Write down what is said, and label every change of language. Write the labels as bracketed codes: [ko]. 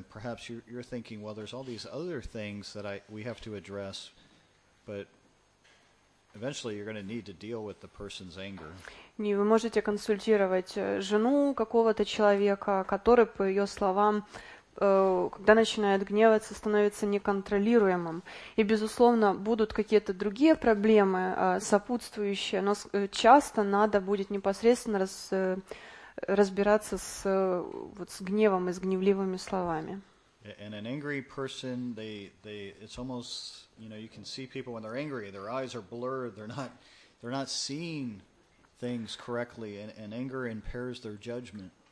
[en] And perhaps you're thinking, well, there's all these other things that we have to address, but eventually you're going to need to deal with the person's anger. [ru] Не, вы можете консультировать жену какого-то человека, который, по ее словам, когда начинает гневаться, становится неконтролируемым. И, безусловно, будут какие-то другие проблемы, сопутствующие, но часто надо будет непосредственно разбираться с гневом и с гневливыми словами. [en] And an angry person, they it's almost, you know, you can see people when they're angry, their eyes are blurred, they're not seeing things correctly, and anger impairs their judgment.